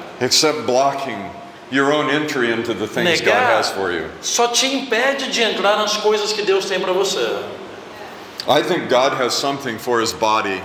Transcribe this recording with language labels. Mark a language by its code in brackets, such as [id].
[en] Except blocking your own entry into the things [pt] negar [en] God has for you. [pt] Só te impede de entrar nas coisas que Deus tem para você. [en] I think God has something for his body.